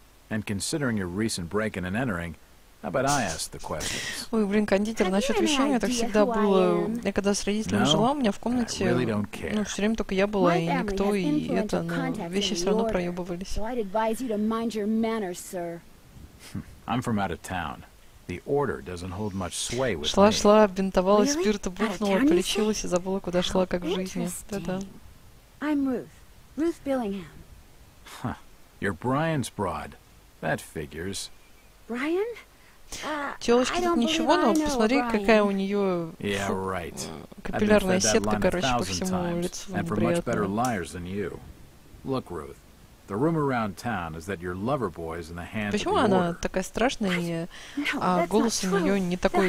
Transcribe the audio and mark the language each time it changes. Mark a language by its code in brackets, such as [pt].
[en] And considering your recent break in and entering. How about I ask the questions? [ru] Ой, блин, кондитер, насчет вещания так всегда было. Я когда с родителями жила, у меня в комнате, ну, все время только я была, и никто, и это, но вещи все равно проебывались. Шла-шла, бинтовалась, спирта бухнула, полечилась и забыла, куда шла, как в жизни. Да-да. [en] I'm Ruth. Ruth Billingham. Huh. You're Brian's broad. That figures. Brian? [ru] Телочки тут ничего, но посмотри, какая у нее капиллярная сетка, короче, по всему лицу. [en] And for much better liars than you. Look, Ruth, the rumor around town is that your lover boy is in the hands of the order. [ru] Почему она такая страшная, а голос у нее не такой?